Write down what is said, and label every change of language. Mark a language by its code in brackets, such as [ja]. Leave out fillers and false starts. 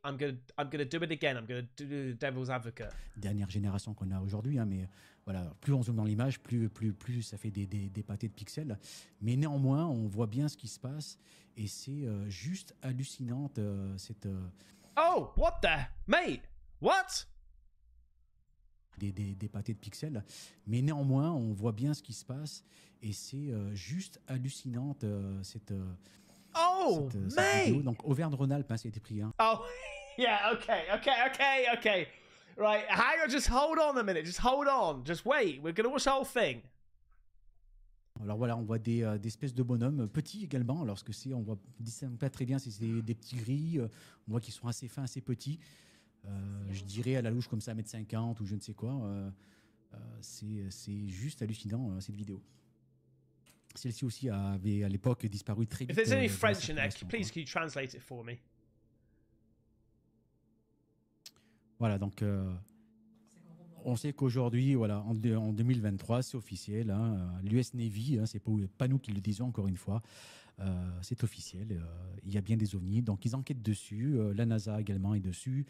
[en] I'm gonna do it again. I'm gonna do the devil's advocate. [fr] Dernière génération qu'on a aujourd'hui, hein, mais voilà, plus on zoome dans l'image, plus ça fait des pâtés de pixels. Mais néanmoins, on voit bien ce qui se passe et c'est juste hallucinante cette. [en] Oh, what the mate? What? [fr] des pâtés de pixels. Mais néanmoins, on voit bien ce qui se passe. Et c'est juste hallucinante, cette, cette vidéo. Donc, Auvergne-Rhône-Alpes, hein, ça a été pris. Hein. [en] Oh, yeah, okay, okay, okay, okay. Right, hang on, just hold on a minute. Just hold on, just wait. We're going to watch the whole thing. [fr] Alors voilà, on voit des espèces de bonhommes, petits également, alors ce que c'est, on voit pas très bien si c'est des petits gris, on voit qu'ils sont assez fins, assez petits, je dirais à la louche comme ça, 1m50 ou je ne sais quoi, c'est juste hallucinant cette vidéo. Celle-ci aussi avait à l'époque disparu très vite. [en] If there's any French in there, please can you translate it for me? [fr] Voilà, donc on sait qu'aujourd'hui, voilà, en 2023, c'est officiel. Hein, l'US Navy, hein, c'est pas nous qui le disons encore une fois, c'est officiel. Il y a bien des ovnis, donc ils enquêtent dessus. La NASA également est dessus.